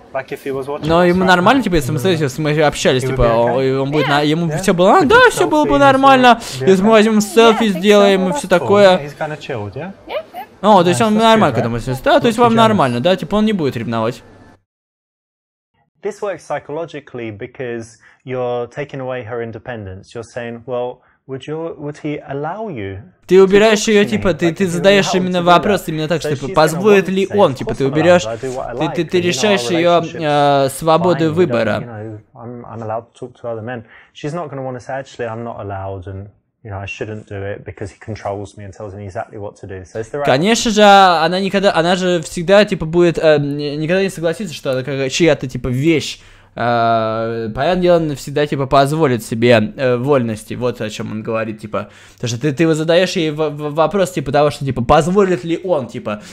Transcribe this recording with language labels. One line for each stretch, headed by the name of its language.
English: Like
Russian: но ему нормально, типа, если мы общались, типа, он будет на... Ему все было... Да, все было бы нормально, если мы возьмем селфи, сделаем, и все такое. О, то есть он нормально к этому относится. Да, то есть вам нормально, да? Типа, он не будет ревновать.
English: This works psychologically because you're taking away her independence. You're saying, well... Would he allow you?
Russian: Ты убираешь ее, типа, ты задаешь именно вопрос, именно так, что позволит ли он, типа, ты уберешь, ты решаешь ее свободу выбора.
English: I'm allowed to talk to other men. She's not going to want to say actually I'm not allowed and you know I shouldn't do it because he controls me and tells me exactly what to do. So it's the right.
Russian: Конечно же, она никогда, она же всегда, типа, будет никогда не согласится, что она чья-то типа вещь. Понятное дело, он всегда, типа, позволит себе вольности. Вот о чем он говорит, типа. Потому что ты его задаешь ей вопрос, типа, того, что, типа, позволит ли он, типа.